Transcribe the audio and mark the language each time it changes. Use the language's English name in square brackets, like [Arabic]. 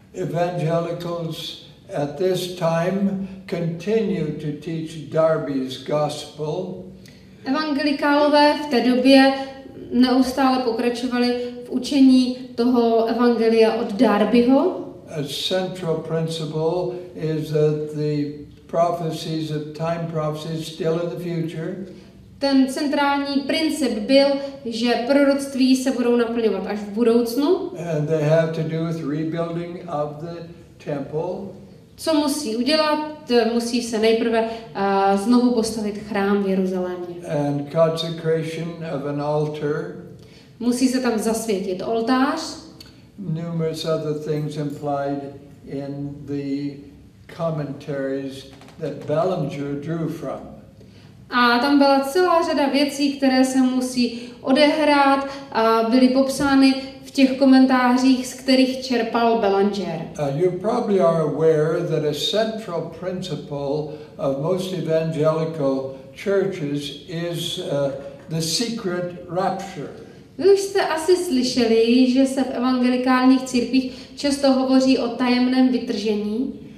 [English] Evangelicals at this time continue to teach Darby's gospel. [Czech] Evangelikálové v té době neustále pokračovali v učení toho evangelia od Darbyho. [English] A central principle is that the prophecies of time prophecies still in the future. [Czech] Ten centrální princip byl, že proroctví se budou naplňovat až v budoucnu. [English] And they have to do with rebuilding of the temple. [Czech] Co musí udělat? Musí se nejprve znovu postavit chrám v Jeruzalémě. [English] And consecration of an altar. [Czech] Musí se tam zasvětit oltář. [English] Numerous other things implied in the commentaries that Ballinger drew from. [Czech] A tam byla celá řada věcí, které se musí odehrát a byly popsány v těch komentářích, z kterých čerpal Ballinger. [English] You probably are aware that a central principle of most evangelical churches is the secret rapture. [Czech] Vy už jste asi slyšeli, že se v evangelikálních církvích často hovoří o tajemném vytržení.